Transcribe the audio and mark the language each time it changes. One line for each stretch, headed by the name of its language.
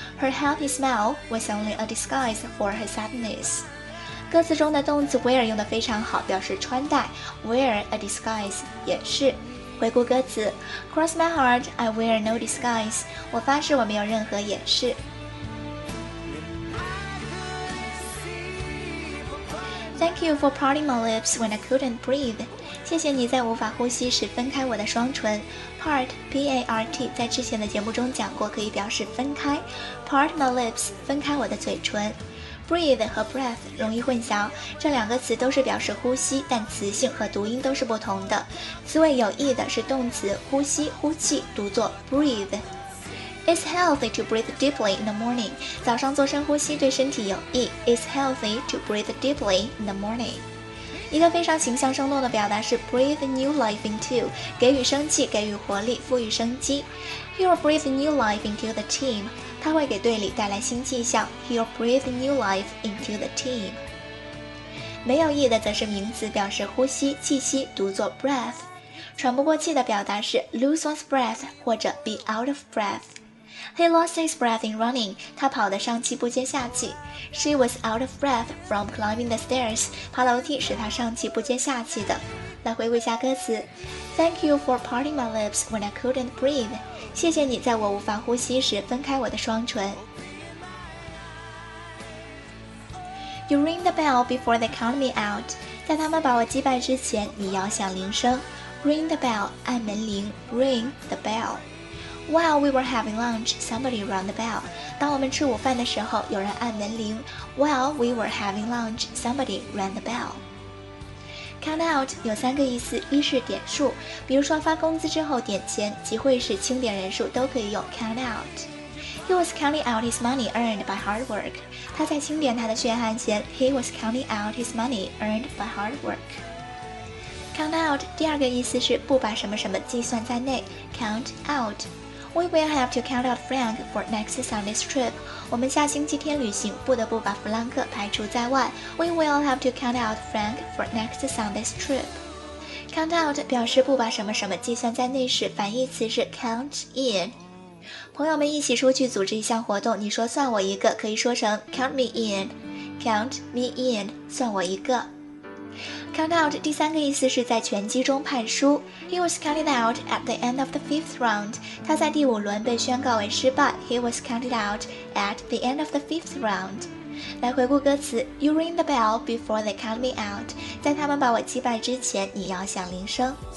English: Her happy smile was only a disguise for her sadness.
Chinese: 歌词中的动词 wear 用得非常好，表示穿戴。
English: Wear a disguise,
Chinese: 掩饰。回顾歌词
English: ,Cross my heart, I wear no disguise.
Chinese: 我发誓我没有任何掩饰。
English: Thank you for parting my lips when I couldn't breathe.
Chinese: 谢谢你在无法呼吸时分开我的双唇。 Part, P-A-R-T, 在之前的节目中讲过可以表示分开。
English: Part my lips,
Chinese: 分开我的嘴唇。Breathe 和 breath 容易混淆，这两个词都是表示呼吸，但词性和读音都是不同的。词尾有 e 的是动词，呼吸、呼气，读作 breathe。
English: It's healthy to breathe deeply in the morning.
Chinese: 早上做深呼吸对身体有益。
English: It's healthy to breathe deeply in the morning.
Chinese: 一个非常形象生动的表达是
English: breathe new life into,
Chinese: 给予生气，给予活力，赋予生机。
English: He'll breathe new life into the team.
Chinese: 他会给队里带来新气象。 He'll breathe new life into the team. 没有意的则是名词，表示呼吸、气息，读作 breath。喘不过气的表达是
English: lose one's breath
Chinese: 或者
English: be out of breath. He lost his breath in running.
Chinese: 他跑得上气不接下气。
English: She was out of breath from climbing the stairs.
Chinese: 爬楼梯使他上气不接下气的。来回顾一下歌词。
English: Thank you for parting my lips when I couldn't breathe.
Chinese: 谢谢你在我无法呼吸时分开我的双唇。
English: You ring the bell before they count me out.
Chinese: 在他们把我击败之前，你摇响铃声。
English: Ring the bell,
Chinese: 按门铃。
English: Ring the bell. While we were having lunch, somebody rang the bell.
Chinese: 当我们吃午饭的时候，有人按门铃。
English: While we were having lunch, somebody rang the bell.
Chinese: Count out 有三个意思，一是点数，比如说发工资之后点钱，集会时清点人数都可以用 count out.
English: He was counting out his money earned by hard work.
Chinese: 他在清点他的血汗钱。
English: He was counting out his money earned by hard work. Count out
Chinese: 第二个意思是不把什么什么计算在内。
English: Count out. We will have to count out Frank for next Sunday's trip.
Chinese: 我们下星期天旅行不得不把弗兰克排除在外。
English: We will have to count out Frank for next Sunday's trip.
Chinese: Count out 表示不把什么什么计算在内时，反义词是 count in. 朋友们一起出去组织一项活动，你说算我一个，可以说成
English: count me in. Count me in,
Chinese: 算我一个。Count out 第三个意思是在拳击中判输。
English: He was counted out at the end of the fifth round.
Chinese: 他在第五轮被宣告为失败。
English: He was counted out at the end of the fifth round.
Chinese: 来回顾歌词
English: ，You ring the bell before they count me out.
Chinese: 在他们把我击败之前，你摇响铃声。